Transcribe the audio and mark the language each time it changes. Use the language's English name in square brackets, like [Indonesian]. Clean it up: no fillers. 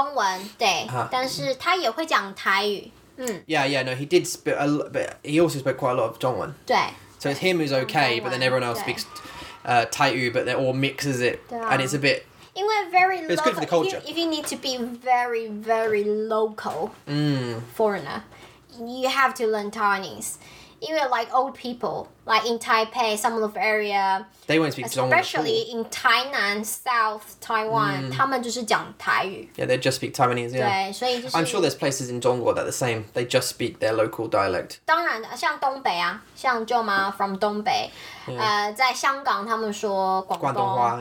[Chinese] 他是讲中文，对，但是他也会讲台语。 [English] No, he did speak a little bit. He also spoke quite a lot of 中文. [Chinese] 对。 [English] So it's him who's okay, but then everyone else speaks 台语, but they all mixes it. And it's a bit. It's good for the culture. If you need to be very, very local foreigner, you have to learn Taiwanese. Even like old people, like in Taipei, some of the area, they won't speak Zhongwen. Especially in Tainan, South Taiwan, [Chinese] 他们就是讲台语. [English] Yeah, they just speak Taiwanese, yeah. [Chinese] 对,所以就是, [English] I'm sure there's places in Zhongguo that are the same. They just speak their local dialect. [Chinese] 当然,像东北啊, 像舅妈 from 东北, 在香港他们说广东话,